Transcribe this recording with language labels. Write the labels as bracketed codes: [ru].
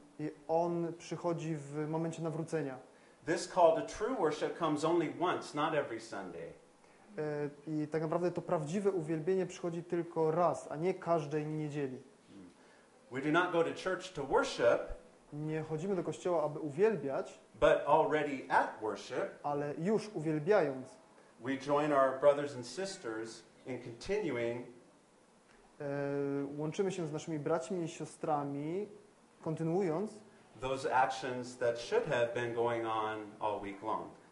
[pl] I on przychodzi w momencie nawrócenia. [en] This call to true worship comes only once, not every Sunday. [pl] I tak naprawdę to prawdziwe uwielbienie przychodzi tylko raz, a nie każdej niedzieli. [en] We do not go to church to worship. [pl] Nie chodzimy do kościoła, aby uwielbiać. [en] But already at worship. [pl] Ale już uwielbiając. [en] We join our brothers and sisters in continuing. [pl] Łączymy się z naszymi braćmi i siostrami, kontynuując. [en] Those actions that should have been going on all week long.